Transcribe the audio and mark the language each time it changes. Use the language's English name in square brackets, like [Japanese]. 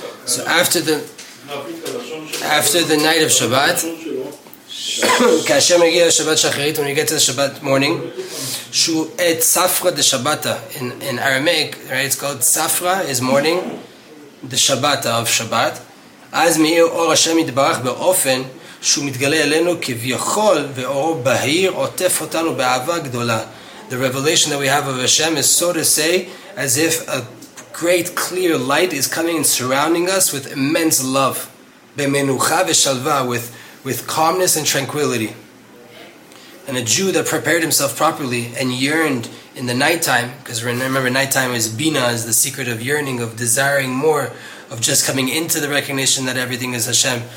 [English] So after the night of Shabbat, Shabbat Shacharit, when you get to the Shabbat morning, Shu et Tzafra de Shabbata in Aramaic, right? It's called Tzafra is morning, the Shabbata of Shabbat. [Hebrew] אז מאיר אור השם יתברך באופן שהוא מתגלה אלינו כביכול ואור בהיר עוטף אותנו באהבה גדולה. [English] The revelation that we have of Hashem is so to say as if a great clear light is coming and surrounding us with immense love. [Hebrew] במנוחה ושלווה, [English] with calmness and tranquility. And a Jew that prepared himself properly and yearned in the nighttime, because remember nighttime is Bina, is the secret of yearning, of desiring more, of just coming into the recognition that everything is Hashem.